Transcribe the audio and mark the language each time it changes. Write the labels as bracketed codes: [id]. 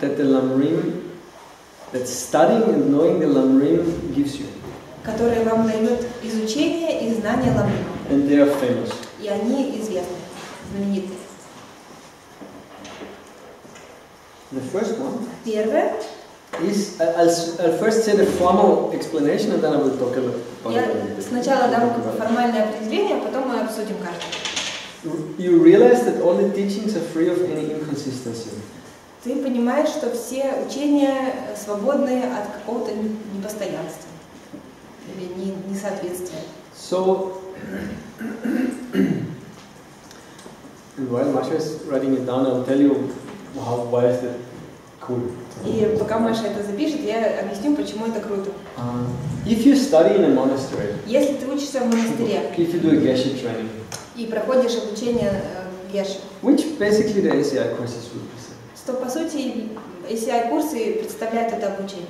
[en] That the lamrim, that studying and knowing the lamrim gives you. [ru] Которые вам дают изучение и знание ламрима. [en] And they are famous. [ru] И они известны, знамениты. [en] The first one. [ru] Первое. [en] Is I'll first say the formal explanation and then I will talk about it. [ru] Я сначала дам формальное определение, потом мы обсудим каждое. [en] You realize that all the teachings are free of any inconsistency. [ru] Ты понимаешь, что все учения свободны от какого-то непостоянства или несоответствия. [en] So, and while Masha is writing it down, I'll tell you how why is it cool. [ru] И пока Маша это запишет, я объясню, почему это круто. [en] If you study in a monastery, [ru] если ты учишься в монастыре, [en] if you do a geshe training, [ru] и проходишь обучение геши, [en] which basically the ACI courses represent, [ru] то по сути ACI курсы представляют это обучение.